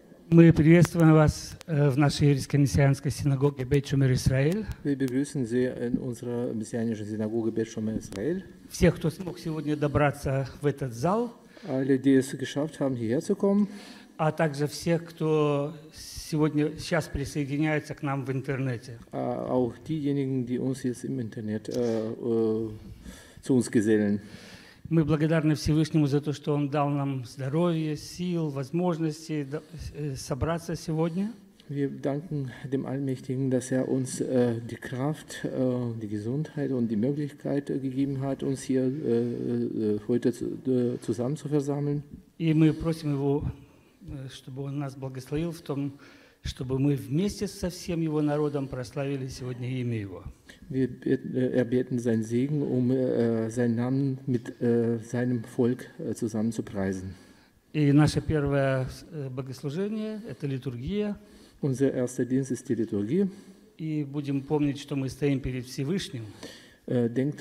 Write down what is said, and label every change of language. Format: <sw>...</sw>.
<ru>Мы приветствуем вас в нашей еврейской мессианской синагоге Бейт Шомер Исраэль. Всех, кто смог сегодня добраться в этот зал.</ru> <de>Alle, die es geschafft haben, hierher zu kommen.</de> <ru>А также всех, кто сегодня сейчас присоединяется к нам в интернете.</ru> <de>Auch diejenigen, die uns jetzt im Internet zu uns gesellen.</de> <ru>Мы благодарны Всевышнему за то, что Он дал нам здоровье, сил, возможности собраться сегодня.</ru> <de>Wir danken dem Allmächtigen, dass er uns die Kraft, die Gesundheit und die Möglichkeit gegeben hat, uns hier heute zusammen zu versammeln.</de> <ru>И мы просим Его, чтобы Он нас благословил в том, чтобы мы вместе со всем Его народом прославили сегодня имя Его.</ru> <de>Wir erbeten seinen Segen, um seinen Namen mit seinem Volk zusammen zu preisen. Unser erster Dienst ist die Liturgie. Denkt</de>